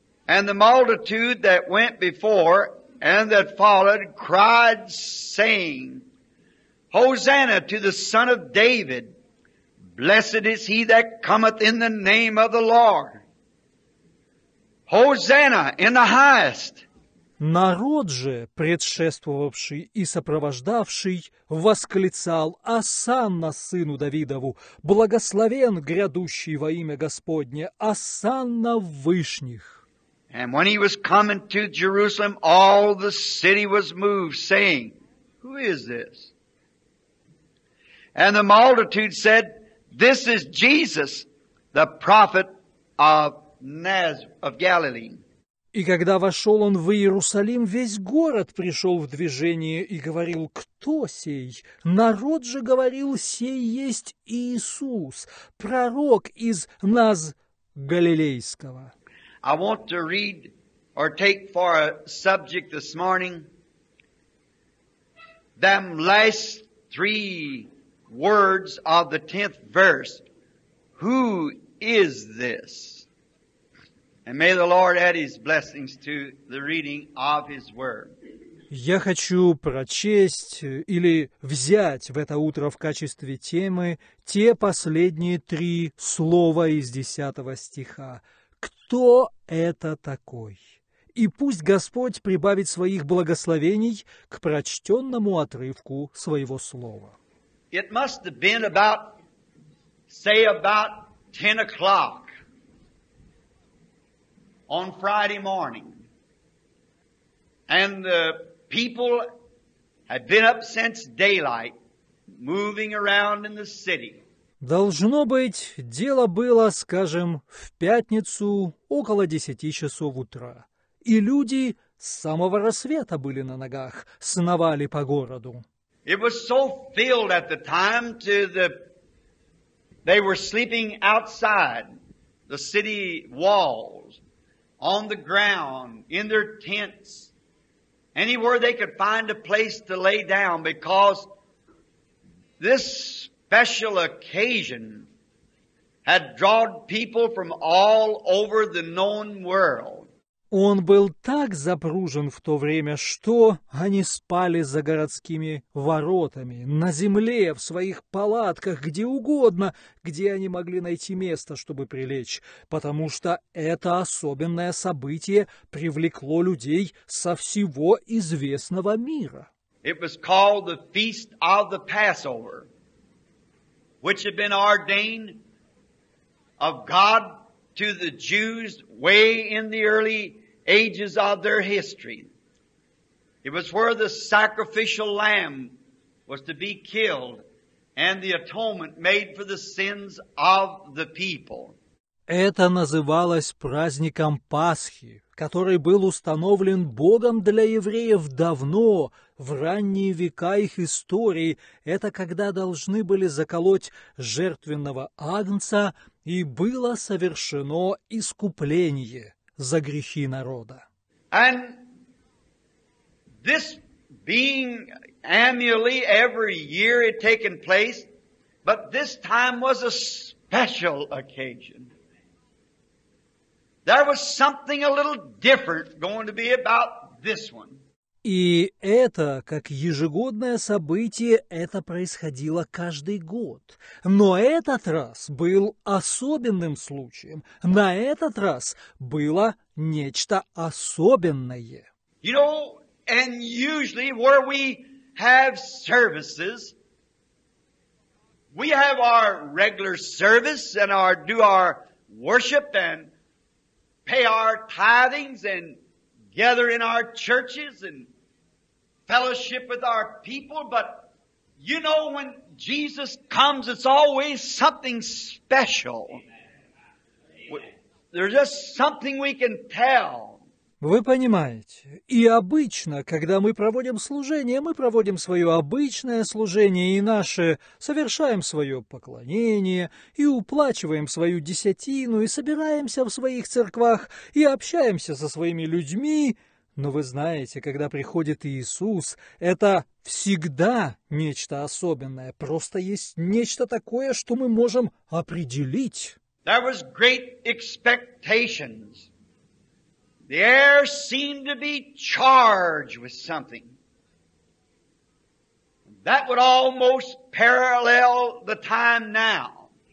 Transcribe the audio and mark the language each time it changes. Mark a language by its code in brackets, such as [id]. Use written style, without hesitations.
[en] And the multitude that went before and that followed cried, saying, Hosanna to the Son of David! Blessed is he that cometh in the name of the Lord! Hosanna in the highest! [ru] Народ же, предшествовавший и сопровождавший, восклицал: «Осанна сыну Давидову! Благословен грядущий во имя Господне! Осанна в вышних!» [en] And when he was coming to Jerusalem, all the city was moved, saying, Who is this? And the multitude said, This is Jesus, the prophet of Galilee. [ru] И когда вошел он в Иерусалим, весь город пришел в движение и говорил: «Кто сей?» Народ же говорил: «Сей есть Иисус, пророк из Галилейского». [en] I want to read or take for a subject this morning them last three words of the 10th verse. Who is this? And may the Lord add His blessings to the reading of His Word. [ru] Я хочу прочесть или взять в это утро в качестве темы те последние три слова из 10 стиха. Кто это такой? И пусть Господь прибавит своих благословений к прочтенному отрывку своего слова. [en] It must have been about, say, about 10 o'clock. On Friday morning, and the people had been up since daylight, moving around in the city. [ru] Должно быть, дело было, скажем, в пятницу около 10 часов утра, и люди с самого рассвета были на ногах, сновали по городу. [en] It was so filled at the time to the they were sleeping outside the city walls. On the ground, in their tents, anywhere they could find a place to lay down, because this special occasion had drawn people from all over the known world. [ru] Он был так запружен в то время, что они спали за городскими воротами, на земле, в своих палатках, где угодно, где они могли найти место, чтобы прилечь, потому что это особенное событие привлекло людей со всего известного мира. [en] It was called the Feast of the Passover, which had been ordained of God to the Jews way in the early ages of their history. It was where the sacrificial lamb was to be killed and the atonement made for the sins of the people. [ru] Это называлось праздником Пасхи, который был установлен Богом для евреев давно, в ранние века их истории. Это когда должны были заколоть жертвенного агнца, и было совершено искупление за грехи народа. [en] And this being annually every year it taken place, but this time was a special occasion. There was something a little different going to be about this one. [ru] И это, как ежегодное событие, это происходило каждый год. Но этот раз был особенным случаем. На этот раз было нечто особенное. [en] You know, and usually where we have services, we have our regular service and our do our worship and pay our tithings and gather in our churches and fellowship with our people. But you know, when Jesus comes, it's always something special. Amen. There's just something we can tell. [ru] Вы понимаете, и обычно, когда мы проводим служение, мы проводим свое обычное служение и наше, совершаем свое поклонение, и уплачиваем свою десятину, и собираемся в своих церквах, и общаемся со своими людьми. Но вы знаете, когда приходит Иисус, это всегда нечто особенное, просто есть нечто такое, что мы можем определить. [en] There was great expectations. The air seemed to be charged with something. That would almost parallel the time now.